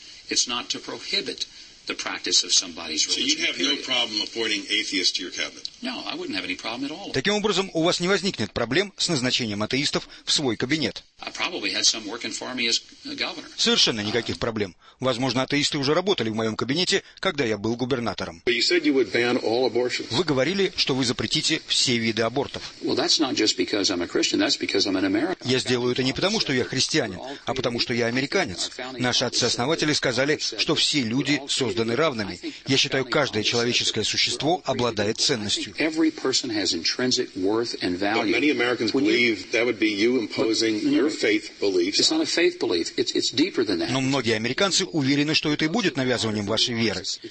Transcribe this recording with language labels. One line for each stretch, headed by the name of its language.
English: It's not to prohibit the practice of somebody's religion. So you have no problem appointing atheists to your cabinet? No, I wouldn't have any problem at all.
Russian: Таким образом, у вас не возникнет проблем с назначением атеистов в свой кабинет.
English: I probably had some working for me as governor.
Russian: Совершенно никаких проблем. Возможно, атеисты уже работали в моем кабинете, когда я был губернатором.
English: But you said you would ban all abortions.
Russian: Вы говорили, что вы запретите все виды абортов.
English: Well, that's not just because I'm a Christian, that's because I'm an American.
Russian: Я сделаю это не потому, что я христианин, а потому, что я американец. Наши отцы-основатели сказали, что все люди созданы равными. Я считаю, каждое человеческое существо обладает ценностью.
English: Every person has intrinsic worth and value. But many Americans believe that would be you imposing
Russian: Но многие американцы уверены, что это и будет навязыванием вашей веры.